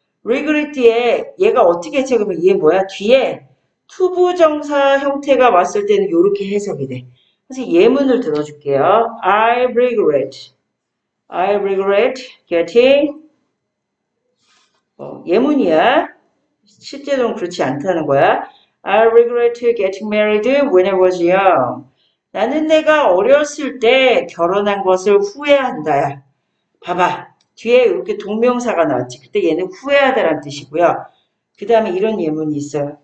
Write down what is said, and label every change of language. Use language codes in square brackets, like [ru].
[ko] regret 뒤에 얘가 어떻게 해석이 되면 얘 뭐야? 뒤에 투부정사 형태가 왔을 때는 이렇게 해석이 돼. 그래서 예문을 들어줄게요. [en] I regret. I regret getting. [ko] 예문이야. 실제로는 그렇지 않다는 거야. [en] I regret getting married when I was young. [ko] 나는 내가 어렸을 때 결혼한 것을 후회한다야. 봐봐. 뒤에 이렇게 동명사가 나왔지. 그때 얘는 후회하다라는 뜻이고요. 그 다음에 이런 예문이 있어요.